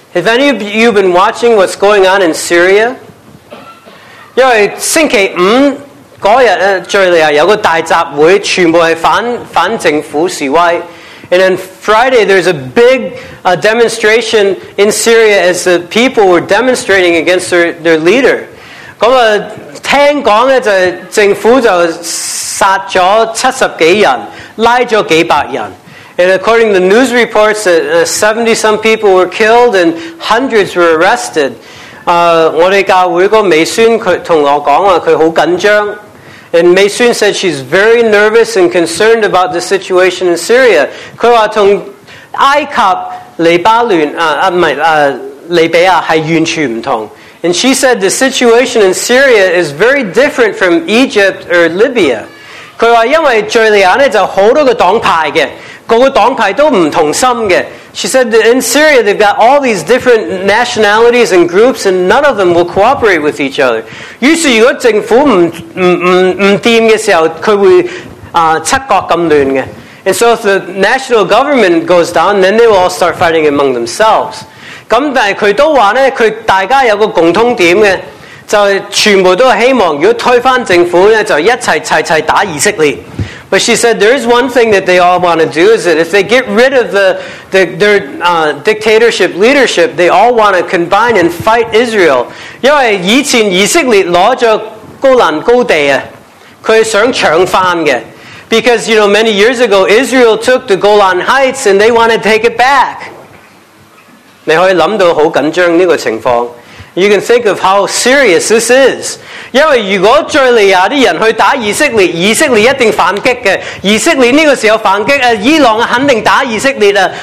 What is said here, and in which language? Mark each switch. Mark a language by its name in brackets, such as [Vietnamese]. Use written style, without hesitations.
[English] If any of you been watching what's going on in Syria? [Cantonese] 因为星期五嗰日咧，叙利亚有个大集会，全部系反政府示威。 [English] And then Friday, there's a big demonstration in Syria as the people were demonstrating against their leader. [Cantonese] 咁啊。聽講咧就政府就殺咗70多人，拉咗幾百人。 [English] And according to the news reports, 70 some people were killed and hundreds were arrested. [Cantonese] 我哋教會個美宣佢同我講話，佢好緊張。 [English] And 美宣 said she's very nervous and concerned about the situation in Syria. [Cantonese] 佢話同埃及、黎巴嫩利比亞係完全唔同。 [English] And she said the situation in Syria is very different from Egypt or Libya. [Cantonese] 佢話因為敍利亞咧就好多個黨派嘅，個個黨派都唔同心嘅。 [English] She said that in Syria they've got all these different nationalities and groups, and none of them will cooperate with each other. [Cantonese] 於是如果政府唔掂嘅時候，佢會七國咁亂嘅。 [English] And so if the national government goes down, then they will all start fighting among themselves. [Cantonese] 咁但係佢都話咧，佢大家有個共通點嘅，就係全部都希望如果推翻政府咧，就一齊齊齊打以色列。 [English] But she said there is one thing that they all want to do is that if they get rid of their dictatorship leadership, they all want to combine and fight Israel. [Cantonese] 因為以前以色列攞咗高蘭高地啊，佢想搶翻嘅。 [English] Because you know many years ago Israel took the Golan Heights and they want to take it back. [Cantonese] 你可以諗到好緊張呢個情況。 [English] You can think of how serious this is. [Cantonese] 因為如果敍利亞啲人去打以色列，以色列一定反擊嘅。以色列呢個時候反擊，伊朗肯定打以色列啦。